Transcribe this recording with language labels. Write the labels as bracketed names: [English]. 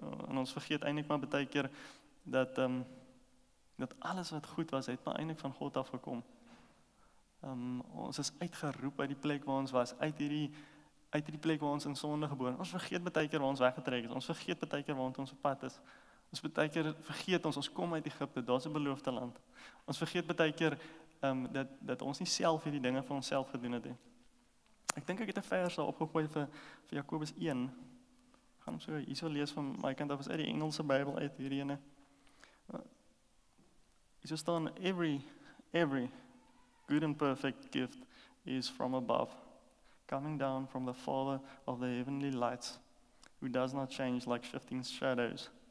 [Afrikaans] En ons vergeet eindelijk maar baie keer dat dat alles wat goed was, het maar eindelijk van God afgekom. Ons is uitgeroep uit die plek waar ons was, uit die plek waar ons in sonde geboren. Ons vergeet baie keer waar ons weggetrek is, ons vergeet baie keer waar ons op pad is. Ons baie keer vergeet ons kom uit Egypte, daar is een beloofde land. Ons vergeet baie keer dat ons nie self hierdie dinge vir onsself gedoen het. Ek denk ek het een vers daar opgegooi vir Jakobus 1, gaan hem so iets wel lees van my kant af, is uit die Engelse Bijbel uit hierdie ene. Iets wel staan, [English] every good and perfect gift is from above, coming down from the Father of the heavenly lights, who does not change like shifting shadows.